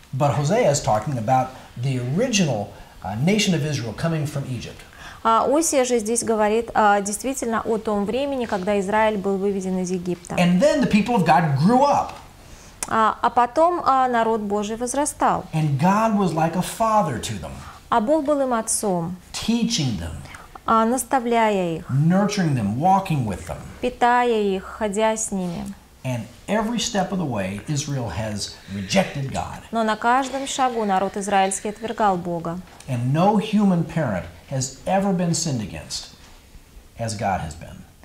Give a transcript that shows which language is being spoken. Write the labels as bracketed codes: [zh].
[en] But Hosea is talking about the original nation of Israel coming from Egypt. [ru] Осия же здесь говорит действительно о том времени, когда Израиль был выведен из Египта. [en] And then the people of God grew up. [ru] А потом народ Божий возрастал. [en] And God was like a father to them. [ru] А Бог был им отцом. [en] Teaching them. [ru] Наставляя их. [en] Nurturing them, walking with them. [ru] Питая их, ходя с ними. [en] And every step of the way, Israel has rejected God. [ru] Но на каждом шагу народ израильский отвергал Бога. [en] And no human parent has ever been sinned against as God has been.